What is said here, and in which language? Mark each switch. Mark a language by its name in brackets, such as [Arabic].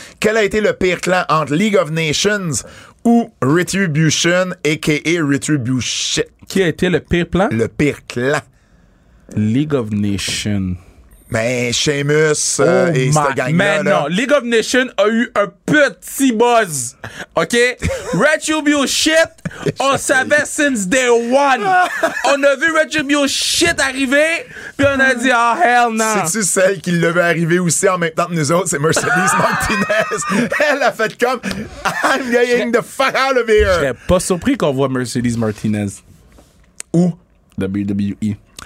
[French] Quel a été le pire clan entre League of Nations... ou Retribution, a.k.a. Retribution. Qui a été le pire plan? Le pire clan. League of Nations. Ben, Sheamus et cette gang-là. Mais non, League of Nations a eu un petit buzz. OK? Retribution, on savait [English] since day one. [French] On a vu Retribution arriver, puis on a dit, [English] oh hell no. [French] C'est-tu celle qui l'a vu arriver aussi en même temps que nous autres? C'est Mercedes Martinez. Elle a fait comme, [English] I'm getting the fuck out of here. [French] Je serais pas surpris qu'on voit Mercedes Martinez. Où? WWE.